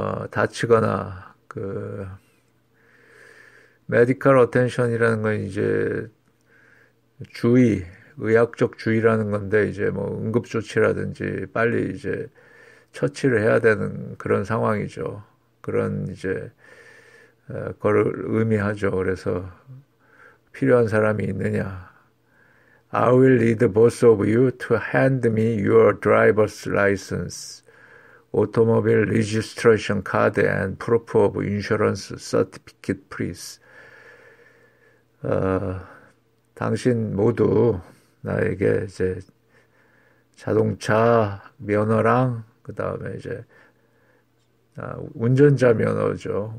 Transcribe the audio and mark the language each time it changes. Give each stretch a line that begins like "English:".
Korean: 다치거나, medical attention이라는 건 이제, 주의, 의학적 주의라는 건데, 이제 뭐, 응급조치라든지, 빨리 이제, 처치를 해야 되는 그런 상황이죠. 그런 이제, 거를 의미하죠. 그래서, 필요한 사람이 있느냐.
English: I will need both of you to hand me your driver's license, automobile registration card, and proof of insurance certificate, please.
Korean: 당신 모두 나에게 이제 자동차 면허랑, 그 다음에 이제, 운전자 면허죠.